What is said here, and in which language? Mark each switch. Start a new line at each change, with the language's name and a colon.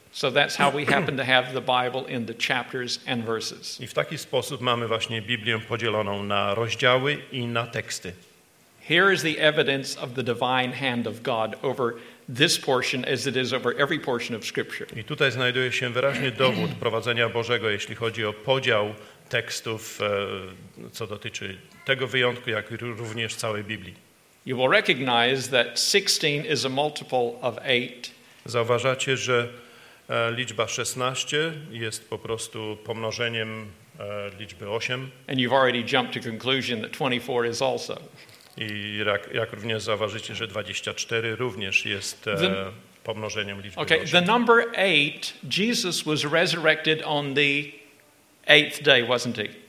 English: So that's how we happen to have the Bible in the chapters and verses.
Polish: I w taki sposób mamy właśnie Biblię podzieloną na rozdziały i na teksty.
English: Here is the evidence of the divine hand of God over this portion as it is over every portion of scripture.
Polish: I tutaj znajduje się wyraźny dowód prowadzenia Bożego, jeśli chodzi o podział tekstów, co dotyczy tego wyjątku, jak również całej Biblii.
English: You will recognize that 16 is a multiple of 8.
Polish: Zauważacie, że liczba 16 jest po prostu pomnożeniem liczby 8.
English: And you've already jumped to conclusion that 24 is also.
Polish: I jak również zauważycie, że 24 również jest pomnożeniem liczby 8.
English: Okay, the number 8, Jesus was resurrected on the 8th day, wasn't he?